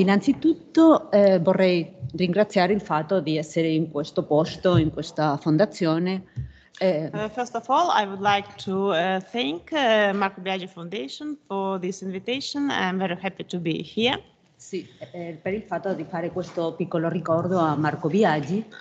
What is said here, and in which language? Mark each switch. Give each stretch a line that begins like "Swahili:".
Italian: Innanzitutto vorrei ringraziare il fatto di essere in questo posto in questa fondazione.
English: First of all, I would like to thank Marco Biagi Foundation for this invitation. I'm very happy to be here.
Italian: Sì, per il fatto di fare questo piccolo ricordo a Marco Biagi.